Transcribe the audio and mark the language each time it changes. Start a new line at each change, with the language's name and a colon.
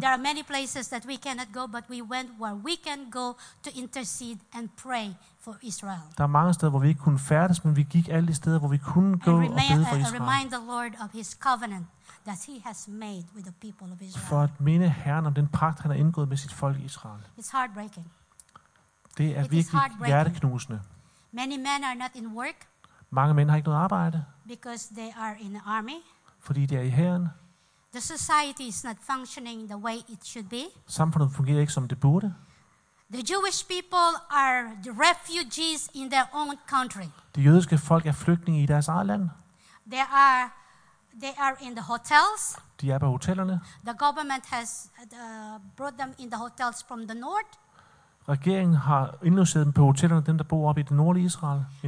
English: There are many places that we cannot go, but we went where we can go to intercede and pray for Israel.
Danish: Der er mange steder, hvor vi ikke kunne færdes, men vi gik alle de steder, hvor vi kunne gå og bede for Israel.
English: Remind the Lord of his covenant that he has made with the people of Israel.
Danish: For at minde Herren om den pagt, han har indgået med sit folk i Israel.
English: It's heartbreaking.
Danish: Det er virkelig hjerteknusende.
English: Many men are not in work.
Danish: Mange mænd har ikke noget arbejde.
English: Because they are in the army.
Danish: Fordi de er i hæren.
English: The society is not functioning the way it should be.
Danish: Samfundet fungerer ikke som det burde.
English: The Jewish people are the refugees in their own country.
Danish: De jødiske folk er flygtninge i deres eget land.
English: They are in the hotels.
Danish: De er på hotellerne.
English: The government has brought them in the hotels from the north.
Danish: Regeringen har indlogeret dem på hotellerne, dem der bor oppe i det nordlige Israel.